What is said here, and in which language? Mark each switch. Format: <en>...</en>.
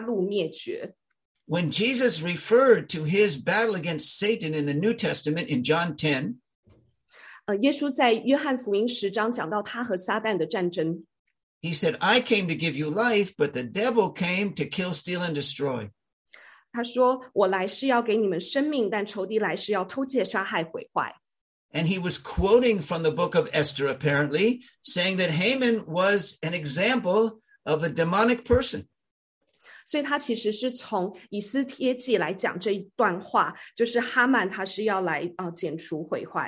<zh>当哈曼要毁坏犹太人的时候，他用了三个字，是全然剪除、杀戮、灭绝。</zh> <en>When Jesus referred to his battle against Satan in the New Testament in John 10,</en> <zh>耶稣在约翰福音10章讲到他和撒旦的战争。</zh> <en>He said, I came to give you life, but the devil came to kill, steal, and destroy.</en> <zh>他说，我来是要给你们生命，但仇敌来是要偷窃、杀害、毁坏。</zh> <en>And he was quoting from the book of Esther, apparently, saying that Haman was an example of a demonic person.</en> <zh>所以他其实是从以斯帖记来讲这一段话，就是哈曼他是要来剪除毁坏。</zh>